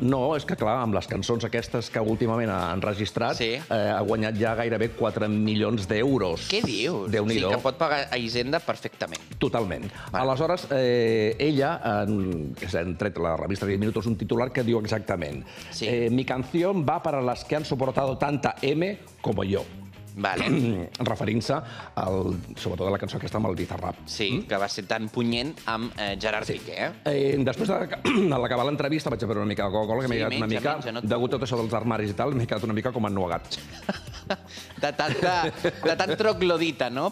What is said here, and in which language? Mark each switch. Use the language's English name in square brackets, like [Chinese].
[Catalan] No, és que, clar, amb les cançons aquestes que últimament ha enregistrat, ha guanyat ja gairebé 4 milions d'euros. Què dius? Déu-n'hi-do. O sigui, que pot pagar a Hisenda perfectament. Totalment. Aleshores, ella, que s'ha tret la revista 10 Minutos, un titular que diu exactament [Spanish] «Mi canción va para las que han soportado tanta M como yo». [Catalan] Referint-se, sobretot, a la cançó aquesta amb el Bizarrap. Sí, que va ser tan punyent amb Gerard Piqué. Després de l'acabar l'entrevista vaig haver una mica de Coca-Cola, que m'he quedat una mica... Degut a tot això dels armaris i tal, m'he quedat una mica com ennuegat. De tant troglodita, no?